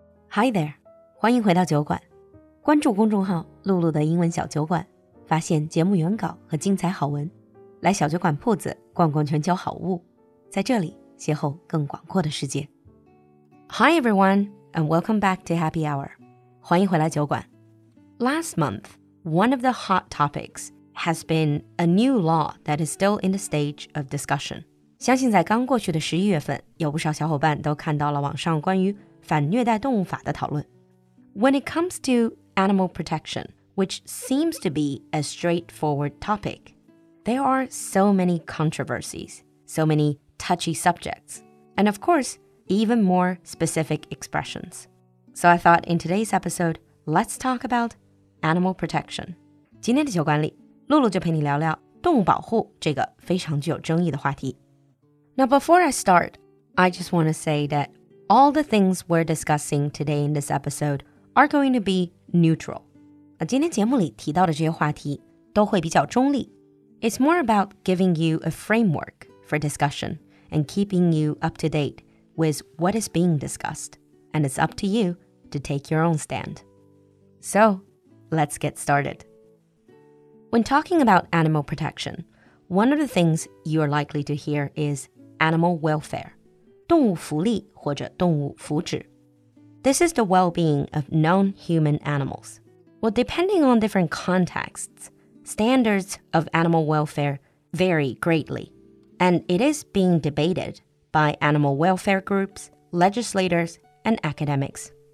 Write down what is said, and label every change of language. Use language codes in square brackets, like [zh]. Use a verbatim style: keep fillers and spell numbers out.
[zh] Hi there， 欢迎回到酒馆，关注公众号露露的英文小酒馆，发现节目原稿和精彩好文，来小酒馆铺子逛逛全球好物，在这里邂逅更广阔的世界。 [en] Hi everyone and welcome back to Happy Hour， [zh] 欢迎回来酒馆。 [en] Last month, one of the hot topics has been a new law that is still in the stage of discussion。 [zh] 相信在刚过去的十一月份，有不少小伙伴都看到了网上关于反虐待动物法的讨论。 [en] When it comes to animal protection, which seems to be a straightforward topic, there are so many controversies, so many touchy subjects, and of course, even more specific expressions. So I thought in today's episode, let's talk about animal protection. [zh] 今天的酒馆里，露露就陪你聊聊动物保护这个非常具有争议的话题。 [en] Now before I start, I just want to say that all the things we're discussing today in this episode are going to be neutral. [zh] 今天节目里提到的这些话题都会比较中立。 [en] It's more about giving you a framework for discussion and keeping you up to date with what is being discussed. And it's up to you to take your own stand. So, let's get started. When talking about animal protection, one of the things you are likely to hear is animal welfare. [zh] 动物福利或者动物福祉。 [en] This is the well-being of non-human animals. Well, depending on different contexts, standards of animal welfare vary greatly, and it is being debated by animal welfare groups, legislators, and academics.